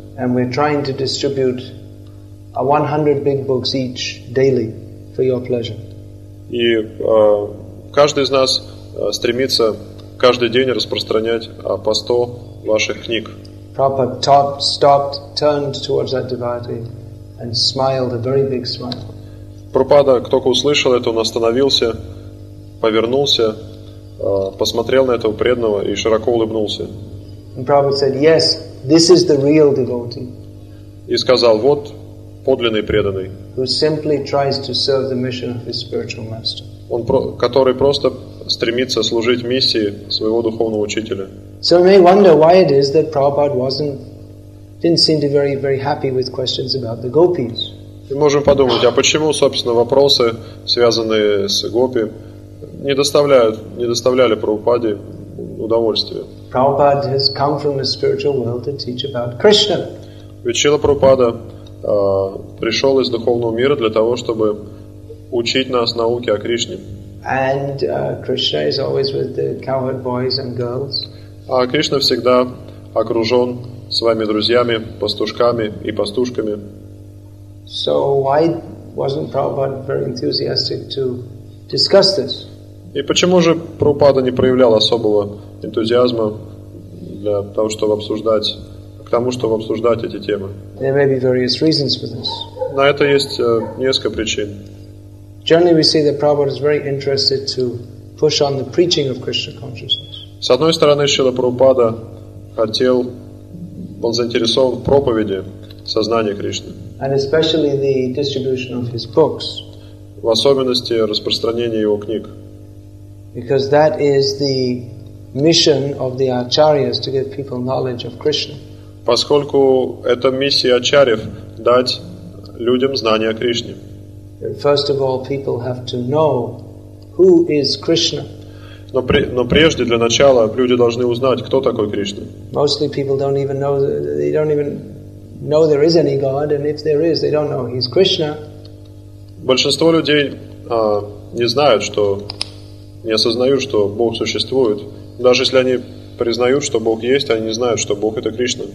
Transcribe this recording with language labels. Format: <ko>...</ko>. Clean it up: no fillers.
<en>And we're trying to distribute 100 big books each daily for your pleasure.</en> <ru>И каждый из нас стремится каждый день распространять по 100 ваших книг.</ru> <en>Prabhupada stopped, turned towards that devotee and smiled a very big smile.</en> <ru>Прабхупада, кто-то услышал это, он остановился, повернулся, посмотрел на этого преданного и широко улыбнулся.</ru> <en>And Prabhupada said, yes, this is the real devotee.</en> <ru>И сказал, вот подлинный преданный.</ru> <en>Who simply tries to serve the mission of his spiritual master.</en> <ru>Он, который просто стремится служить миссии своего духовного учителя.</ru> <en>So we may wonder why it is that Prabhupada didn't seem to be very, very happy with questions about the gopis.</en> <ru>Мы можем подумать, а почему, собственно, вопросы, связанные с гопи, не доставляли Прабхупаде удовольствия?</ru> <en>Prabhupada has come from the spiritual world to teach about Krishna.</en> <ru>Ведь Шрила Прабхупада пришел из духовного мира для того, чтобы учить нас науке о Кришне.</ru> <en>And Krishna is always with the cowherd boys and girls.</en> <ru>А Кришна всегда окружен своими друзьями, пастушками и пастушками.</ru> <en>So why wasn't Prabhupada very enthusiastic to discuss this?</en> <ru>И почему же Прабхупада не проявлял особого энтузиазма для того, чтобы обсуждать, к тому, чтобы обсуждать эти темы?</ru> <en>There may be various reasons for this.</en> <ru>На это есть несколько причин.</ru> <en>Generally, we see that Prabhupada is very interested to push on the preaching of Krishna consciousness.</en> <ru>С одной стороны, Шрила Прабхупада хотел, был заинтересован в проповеди сознания Кришны.</ru> <en>And especially the distribution of his books.</en> <ru>В особенности распространение его книг.</ru> <en>Because that is the mission of the acharyas to give people knowledge of Krishna.</en> <ru>Поскольку это миссия ачарьев дать людям знания о Кришне.</ru> <en>First of all, people have to know who is Krishna.</en> <ru>Но прежде для начала люди должны узнать, кто такой Кришна.</ru> <en>Mostly people don't even know. They don't even know there is any God, and if there is, they don't know he's Krishna.</en> <ru>Большинство людей не знают, что не осознают, что Бог существует. Даже если они признают, что Бог есть, они не знают, что Бог это Кришна.</ru>